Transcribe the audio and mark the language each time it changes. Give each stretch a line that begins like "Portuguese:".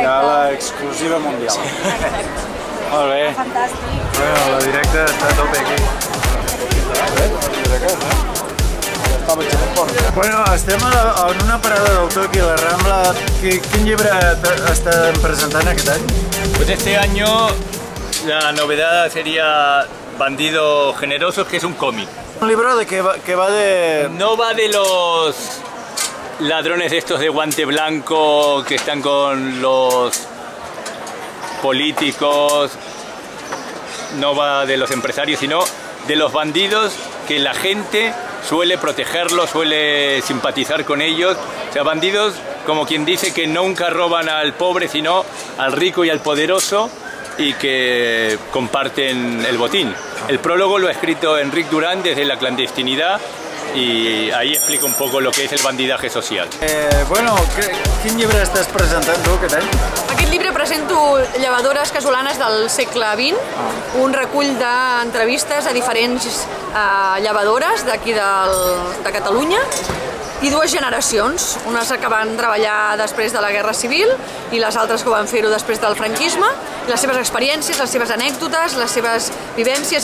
Catalan: Ja la exclusiva mundial. Sí. Molt bé. Fantàstic. Bueno, la directa està a tope aquí. Bueno, estem en una parada d'autor aquí a la Rambla. Quin llibre estan presentant aquest any?
Spanish: Pues este año la novedad sería Bandido Generoso, que es un cómic. Un libro de que va de... No va de los... ladrones estos de guante blanco que están con los políticos, no va de los empresarios, sino de los bandidos que la gente suele protegerlos, suele simpatizar con ellos. O sea, bandidos como quien dice que nunca roban al pobre, sino al rico y al poderoso, y que comparten el botín. El prólogo lo ha escrito Enric Durán desde la clandestinidad, y ahí explico un poco lo que es el bandidaje social.
Catalan: Bueno, ¿quin llibre estàs presentant tu, aquest any? Aquest llibre presento Llevadores Casolanes del segle XX, un recull d'entrevistes a diferents llevadores d'aquí de Catalunya, i dues generacions, unes que van treballar després de la Guerra Civil i les altres que van fer-ho després del franquisme, i les seves experiències, les seves anècdotes, les seves vivències.